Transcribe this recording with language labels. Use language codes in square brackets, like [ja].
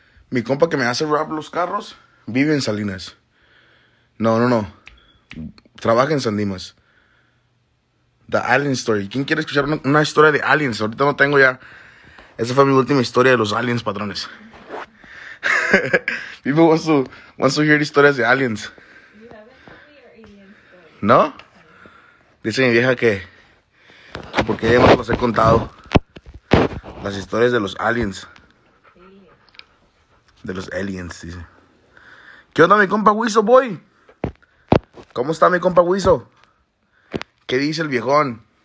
[es] Mi compa que me hace wrap los carros vive en Salinas. No, no, no. Trabaja en San Dimas. [en] The Alien Story. [es] ¿Quién quiere escuchar una historia de aliens? Ahorita no tengo ya. Esa fue mi última historia de los aliens, patrones. [en] People wants to hear [es] historias de aliens. [en] You haven't told me your alien story. [es] ¿No? Dice mi vieja que porque ya no las he contado. Las historias de los aliens. De los aliens, dice. ¿Qué onda, mi compa Wiso Boy? ¿Cómo está mi compa Huizo? ¿Qué dice el viejón?